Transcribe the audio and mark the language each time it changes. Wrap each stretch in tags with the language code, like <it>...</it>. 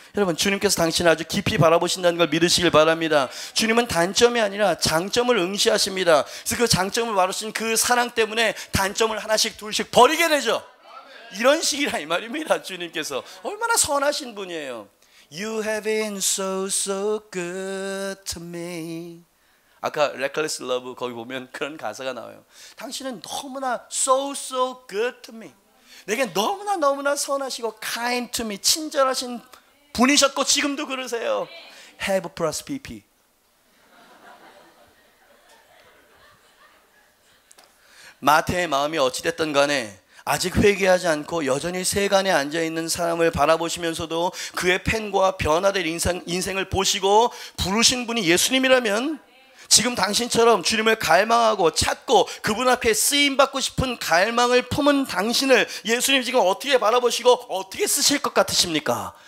<ko>여러분 주님께서 당신을 아주 깊이 바라보신다는 걸 믿으시길 바랍니다. 주님은 단점이 아니라 장점을 응시하십니다. 그래서 그 장점을 바라신 그 사랑 때문에 단점을 하나씩 둘씩 버리게 되죠. 이런 식이라 이 말입니다. 주님께서 얼마나 선하신 분이에요.</ko> <en>You have been so so good to me.</en> <ko>아까 Reckless Love 거기 보면 그런 가사가 나와요. 당신은 너무나</ko> <en>so so good to me.</en> <ko>내게 너무나 너무나 선하시고</ko> <en>kind to me,</en> <ko>친절하신 분이셨고 지금도 그러세요.</ko> <en>Have plus PP.</en> <ko>마태의 마음이 어찌됐든 간에 아직 회개하지 않고 여전히 세간에 앉아있는 사람을 바라보시면서도 그의 펜과 변화될 인생을 보시고 부르신 분이 예수님이라면 지금 당신처럼 주님을 갈망하고 찾고 그분 앞에 쓰임받고 싶은 갈망을 품은 당신을 예수님 지금 어떻게 바라보시고 어떻게 쓰실 것 같으십니까?</ko>